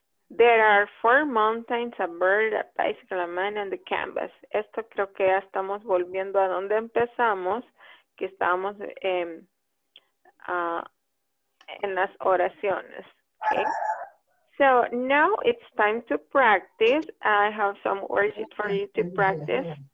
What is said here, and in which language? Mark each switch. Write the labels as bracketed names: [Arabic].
[English] There are four mountains, a bird, a bicycle, a man, and the canvas. [Spanish] Esto creo que ya estamos volviendo a donde empezamos, que estamos en las oraciones. [English] Okay? So now it's time to practice. I have some words for you to practice.